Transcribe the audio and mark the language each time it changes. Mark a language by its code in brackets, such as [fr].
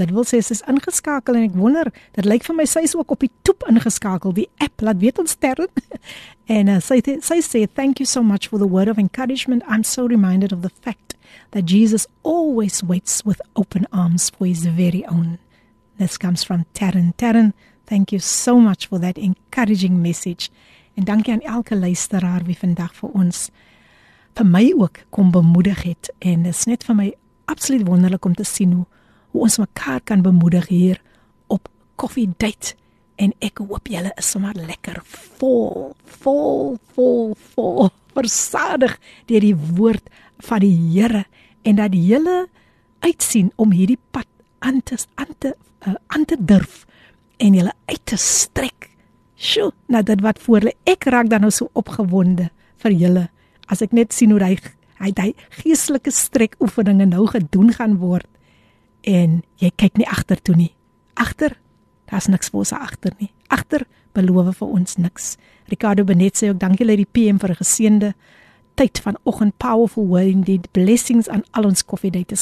[af] Dat wil sê, sy is ingeskakel en ek wonder, dat lyk vir my, sy is ook op die toep ingeskakel, die app, laat weet ons Terren. En sy sê, [en] thank you so much for the word of encouragement. I'm so reminded of the fact that Jesus always waits with open arms for his very own. This comes from Taryn. Taryn, thank you so much for that encouraging message. [af] En dankie aan elke luisteraar wie vandag vir ons, vir my ook, kom bemoedig het. En dit is net vir my absoluut wonderlik om te sien hoe ons mekaar kan bemoedig hier op Koffiedייט. En ek hoop julle is sommer lekker vol, versadig deur die woord van die Here. En dat julle uitsien om hierdie pad aan te durf en julle uit te strek. Sjoe, nou dit wat voor hulle. Ek raak dan nou so opgewonde vir julle. As ek net sien hoe hy geestelike strek oefeninge nou gedoen gaan word. En jy kyk nie agter toe nie. Agter, daar is niks voor ons agter nie. Agter beloof vir ons niks. Ricardo Benet sê ook, dankie lê die PM vir 'n geseënde tyd van oggend, [en] powerful word indeed, [af] blessings aan al ons koffiedaters.